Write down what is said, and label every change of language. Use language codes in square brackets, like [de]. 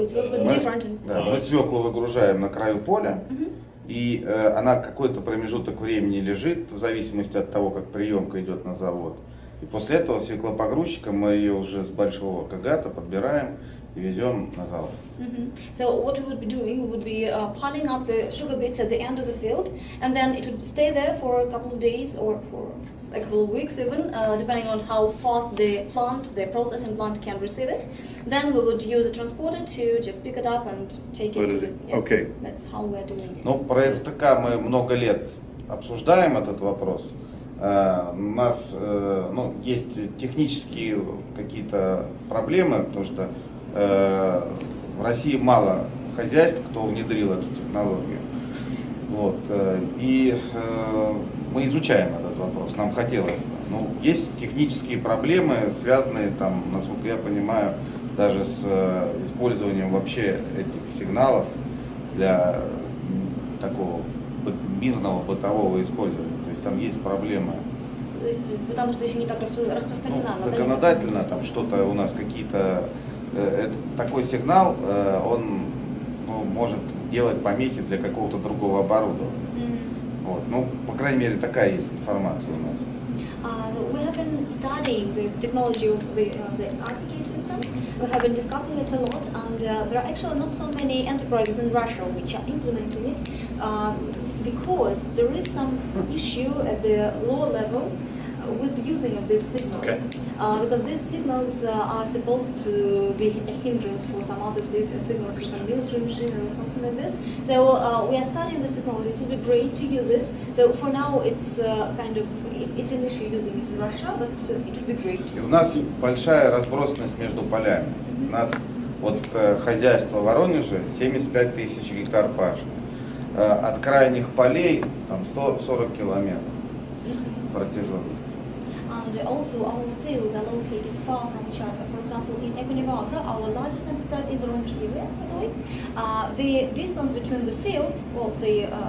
[ru] Мы свеклу выгружаем на краю поля, и она какой-то промежуток времени лежит, в зависимости от того, как приемка идет на завод. И после этого свеклопогрузчиком мы ее уже с большого когата подбираем и везем на завод. [en] So what we would be doing, we would be piling up the sugar beets at the end of the field, and then it would stay there for a couple of days or for a couple of weeks even, depending on how fast the processing plant can receive it. Then we would use a transporter to just pick it up and take it. Okay. That's how we're doing it. [ru] Ну, про РТК мы много лет обсуждаем этот вопрос. У нас, ну, есть технические какие-то проблемы, потому что в России мало хозяйств, кто внедрил эту технологию. Вот. И мы изучаем этот вопрос. Нам хотелось бы. Ну, есть технические проблемы, связанные, там, насколько я понимаю, даже с использованием вообще этих сигналов для такого мирного бытового использования. То есть там есть проблемы. То есть, потому что еще не так распространена. Ну, законодательно там что-то у нас какие-то. Это такой сигнал, он, ну, может делать помехи для какого-то другого оборудования. Mm-hmm. Вот. Ну, по крайней мере, такая есть информация у нас. [en] We have been studying this technology of the RTK system. We have been discussing it a lot, and there are actually not so many enterprises in Russia which are implementing it, because there is some issue at the law level with using of these signals. Okay. Because these signals are supposed to be a hindrance for some other signals, for some military machinery or something like this. So we are studying this technology. It would be great to use it. So for now, it's an issue using it in Russia, but it would be great. [ru] И у нас большая разбросанность между полями. Mm-hmm. У нас вот хозяйство в Воронеже 75 тысяч гектар пашни. От крайних полей там 140 километров протяженность. [en] And also our fields are located far from each other. For example, in Ekonivagra, our largest enterprise in the Voronezh area, by the way, the distance between the fields, well, the